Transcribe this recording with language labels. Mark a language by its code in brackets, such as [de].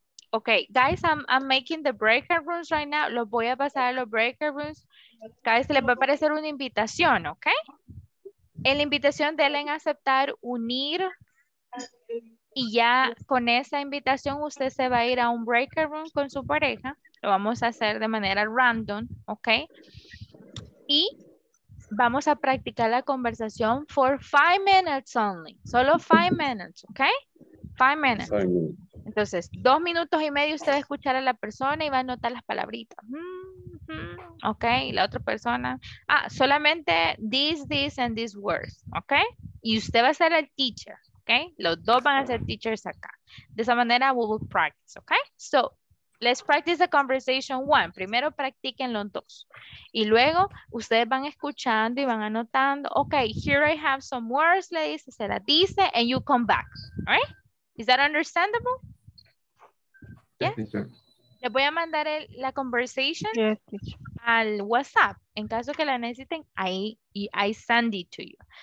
[en] Okay, guys, I'm making the breakout rooms right now. [es] Los voy a pasar a los breakout rooms. Guys, les va a aparecer una invitación, okay? En la invitación deben aceptar unir y ya con esa invitación usted se va a ir a un breakout room con su pareja. Lo vamos a hacer de manera random, okay? Y vamos a practicar la conversación [en] for 5 minutes only. [es] Solo [en] 5 minutes, okay? 5 minutes. [es] Entonces, 2 minutos y medio usted va a escuchar a la persona y va a notar las palabritas. Ok, la otra persona. Ah, solamente [en] this and these words. [es] Ok, y usted va a ser el teacher. Ok, los dos van a ser teachers acá. De esa manera, [en] we will practice. Ok, so, let's practice the conversation one. [es] Primero practiquen los dos. Y luego, ustedes van escuchando y van anotando. [en] Ok, here I have some words, [es] le dice, se la dice, [en] and you come back. Alright. Is that understandable? Yes. [es] Le voy a mandar la conversation al WhatsApp. En caso que la necesiten, [en] I send it to you.